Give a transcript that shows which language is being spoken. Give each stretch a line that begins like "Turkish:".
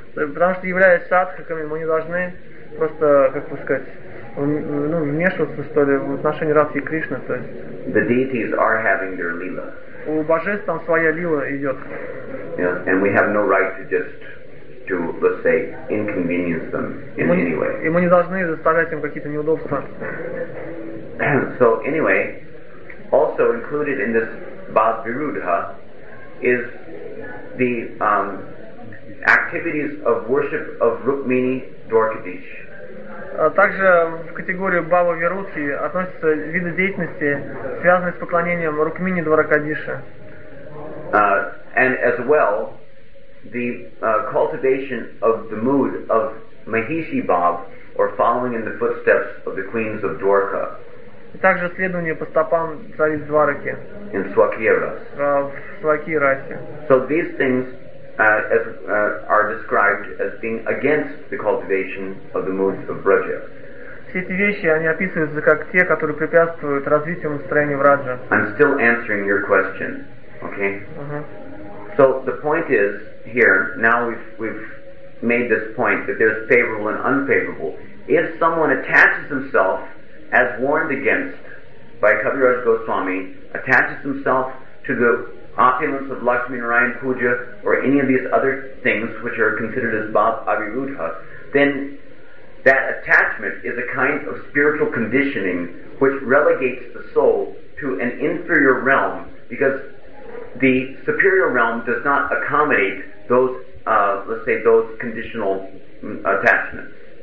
Russian: Потому что являясь садхаками, мы не должны просто, как бы сказать, вмешиваться, что ли, в отношении Радхи и Кришны. То есть
English: the deities are having their lila.
Russian: У божеств там своя лила идет.
English: Yeah, and we have no right to just to, let's say, inconvenience them in any way.
Russian: И мы не должны заставлять им какие-то неудобства.
English: So anyway, also included in this Bhav Virudha is the activities of worship of Rukmini Dwarkadish.
Russian: Также в категорию Бхава Вируддхи относятся виды деятельности, связанные с поклонением Рукмини Дваракадиша.
English: And as well, the cultivation of the mood of Mahishi Bhav, or following in the footsteps of the queens of Dwarka.
Russian: И также следование по стопам цариц Двараки.
English: In Swakiras.
Russian: В Свакирасе.
English: So these things are described as being against the cultivation of the moods of Braja.
Russian: все эти вещи, они описываются как те, которые препятствуют развитию настроения в раджа.
English: I'm still answering your question, okay? Uh-huh. So the point is here. Now we've made this point that there's favorable and unfavorable. If someone attaches himself, as warned against by Kaviraj Goswami, attaches himself to the opulence of Lakshmi Narayan Puja or any of these other things which are considered as Bhav Abhirudha, then that attachment is a kind of spiritual conditioning which relegates the soul to an inferior realm, because the superior realm does not accommodate those, let's say, those conditional attachments.